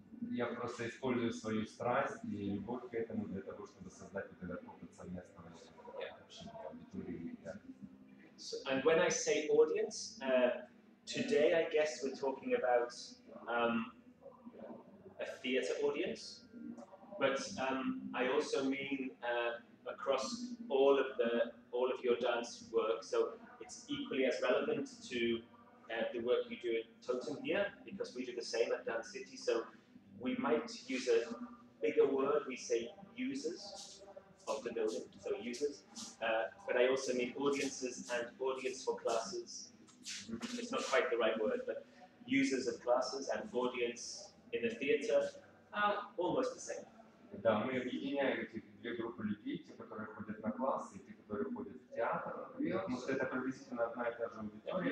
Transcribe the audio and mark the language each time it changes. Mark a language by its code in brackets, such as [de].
[ru] Я просто использую свою страсть и любовь к этому для того, чтобы создать вот этот опыт совместного общения, аудитории. [en] So, and when I say audience, today I guess we're talking about a theater audience, but I also mean across all of your dance work. So it's equally as relevant to the work you do at Totem here, because we do the same at Dance City. So we might use a bigger word, we say users of the building, so users. But I also mean audiences and audience for classes. It's not quite the right word, but users of classes and audience in the theater are almost the same. [ru] Да, мы объединяем эти две группы людей, те, которые ходят на классы, и те, которые ходят в театр. Потому что это приблизительно одна и та же аудитория.